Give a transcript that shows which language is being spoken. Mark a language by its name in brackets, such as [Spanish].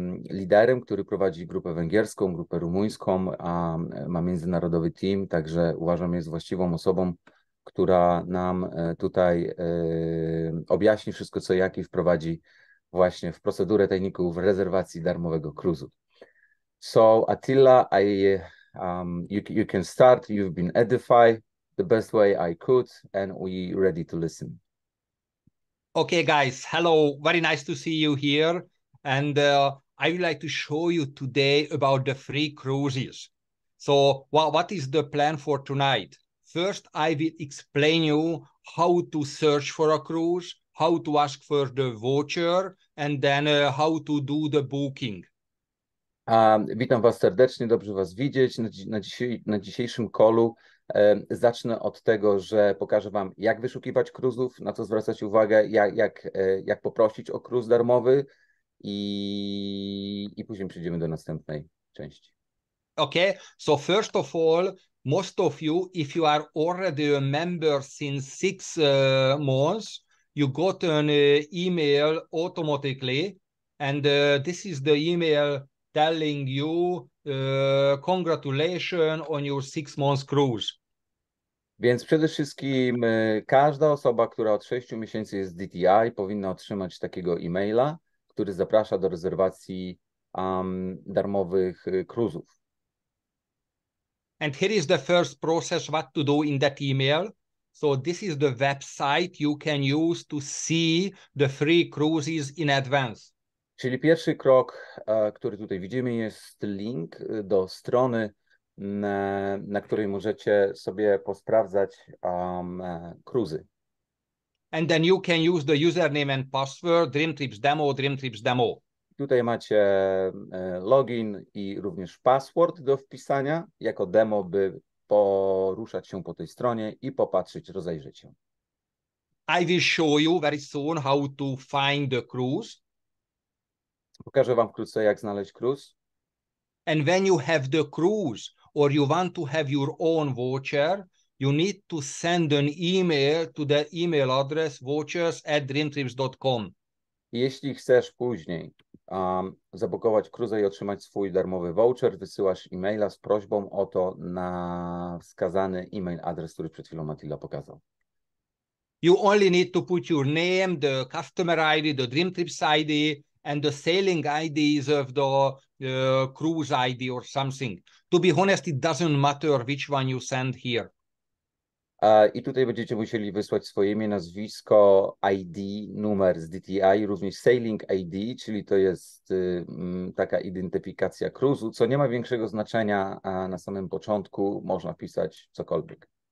[Polish] liderem, który prowadzi grupę węgierską, grupę rumuńską, ma międzynarodowy team, także uważam, jest właściwą osobą, która nam tutaj objaśni wszystko co jak i wprowadzi właśnie w procedurę tajników rezerwacji darmowego cruzu. [English] So, Attila, you can start. You've been edified the best way I could, and we're ready to listen. Okay, guys, hello. Very nice to see you here. And I would like to show you today about the free cruises. So, what is the plan for tonight? First, I will explain you how to search for a cruise, how to ask for the voucher, and then how to do the booking. [Polish] Witam Was serdecznie, dobrze Was widzieć na dzisiejszym callu. Zacznę od tego, że pokażę Wam, jak wyszukiwać cruzów, na co zwracać uwagę, jak poprosić o cruz darmowy i później przejdziemy do następnej części. [English] Okay, so first of all, most of you, if you are already a member since 6 months, you got an email automatically, and this is the email telling you congratulations on your 6 months cruise. [Polish] Więc przede wszystkim każda osoba, która od 6 miesięcy jest DTI, powinna otrzymać takiego e-maila, który zaprasza do rezerwacji darmowych cruzów. [English] And here is the first process what to do in that email. So this is the website you can use to see the free cruises in advance. [Polish] Czyli pierwszy krok, który tutaj widzimy, jest link do strony, na której możecie sobie posprawdzać cruzy. [English] And then you can use the username and password, Dream Trips Demo, Dream Trips Demo. [Polish] Tutaj macie login i również password do wpisania jako demo, by poruszać się po tej stronie i popatrzeć, rozejrzeć się. [English] I will show you very soon how to find the cruise. [Polish] Pokażę Wam wkrótce, jak znaleźć cruz. [English] And when you have the cruise or you want to have your own voucher, you need to send an email to the email address vouchers@dreamtrips.com. [Polish] Jeśli chcesz później zabukować cruise i otrzymać swój darmowy voucher, wysyłasz e-maila z prośbą o to na wskazany e-mail adres, który przed chwilą Matilda pokazał. [English] You only need to put your name, the customer ID, the Dream Trips ID, and the sailing ID is of the cruise ID or something. To be honest, it doesn't matter which one you send here. [Polish] I tutaj będziecie musieli wysłać swoje imię, nazwisko, ID, numer z DTI, również sailing ID, czyli to jest taka identyfikacja kruzu, co nie ma większego znaczenia, a na samym początku można pisać cokolwiek.